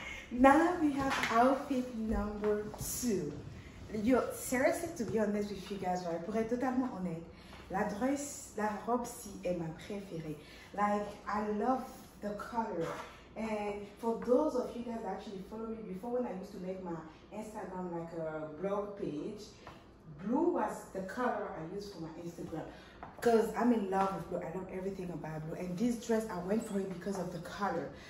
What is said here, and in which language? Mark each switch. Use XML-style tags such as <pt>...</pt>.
<en>Now we have outfit number two. Yo, seriously, to be honest with you guys, right?</en> <fr>Pour être totalement honnête, la dress, la robe si est ma préférée.</fr> <en>Like, I love the color. And for those of you guys that actually follow me before, when I used to make my Instagram like a blog page, blue was the color I used for my Instagram. Because I'm in love with blue. I love everything about blue. And this dress, I went for it because of the color.</en>